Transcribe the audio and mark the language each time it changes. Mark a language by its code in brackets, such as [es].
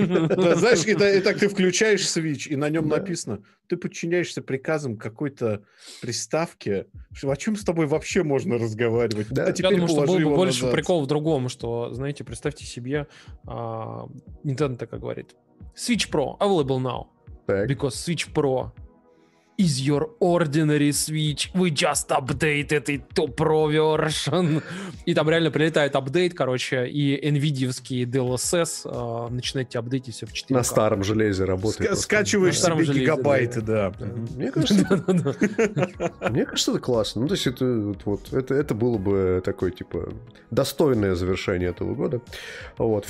[ru] Да, знаешь, и так ты включаешь Switch, и на нем написано, ты подчиняешься приказам какой-то приставки. О чем с тобой вообще можно разговаривать? Да? А теперь я думаю, что был бы больше назад. Прикол в другом, что, знаете, представьте себе... Nintendo так говорит. [en] Switch Pro, available now. [ru] Так. [en] Because Switch Pro is your ordinary Switch. We just updated it to Pro version. [ru] И там реально прилетает апдейт, короче, и NVIDIA-вский DLSS начинает тебе апдейтить все в 4К. На старом железе работает. Скачиваешь себе железе, гигабайты, да. Мне кажется, это классно. Ну, то есть, это было бы такое, типа, достойное завершение этого года. Вот.